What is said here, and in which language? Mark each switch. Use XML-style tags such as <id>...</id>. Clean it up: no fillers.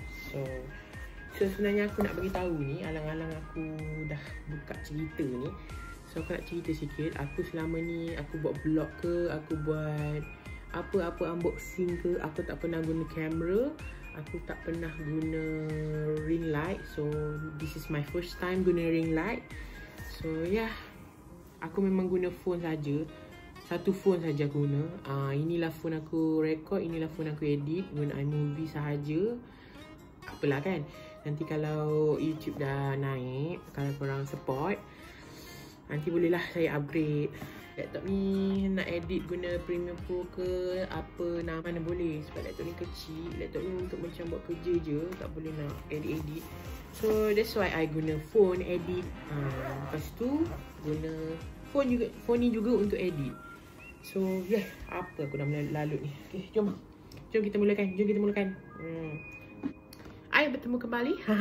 <ms>So sebenarnya aku nak bagi tahu ni, alang-alang aku dah buka cerita ni. So aku nak cerita sikit, aku selama ni aku buat vlog ke, aku buat apa-apa unboxing ke, aku tak pernah guna kamera, aku tak pernah guna ring light.</ms> <en>So this is my first time guna ring light.</en> <ms>So yeah, aku memang guna phone saja. Satu phone saja guna. Inilah phone aku record, inilah phone aku edit, guna iMovie sahaja. Apalah kan, nanti kalau YouTube dah naik, kalau korang support, nanti bolehlah saya upgrade laptop ni. Nak edit guna Premiere Pro ke apa, nah, mana boleh. Sebab laptop ni kecil, laptop ni untuk macam buat kerja je, tak boleh nak edit-edit.</ms> <en>So that's why I guna phone edit.</en> <ms>Lepas tu guna phone juga, phone ni juga untuk edit. So yeah, apa aku dah lalut ni. Okay, jom, jom kita mulakan, jom kita mulakan. I bertemu kembali.</ms>